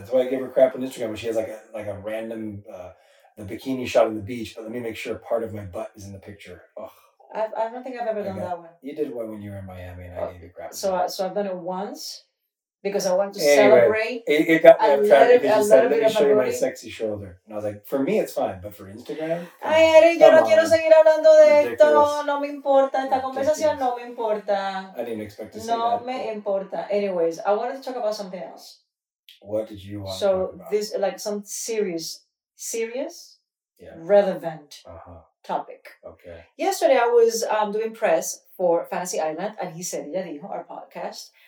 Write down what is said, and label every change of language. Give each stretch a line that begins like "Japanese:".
English: That's why I gave her crap on Instagram when she has like a random the bikini shot on the beach, but let me make sure part of my butt is in the picture. Oh. I don't think I've ever done that one. You did one when you were in Miami, and I gave you crap. So I've done it once because I wanted to celebrate. It got me attracted because you said, let me show you my sexy shoulder. And I was like, for me, it's fine, but for Instagram?
Spanish: Ay, Eric, yo no quiero seguir hablando de esto. No me importa. Esta conversación no me importa.
English: I didn't expect to say
Spanish: that. No me importa.
English: Anyways, I wanted to talk about something else. What did you want to talk about? So this, like some serious... serious, yeah, relevant, uh-huh, topic. Okay. Yesterday I was doing press for Fantasy Island and He Said, Ella Dijo, our podcast.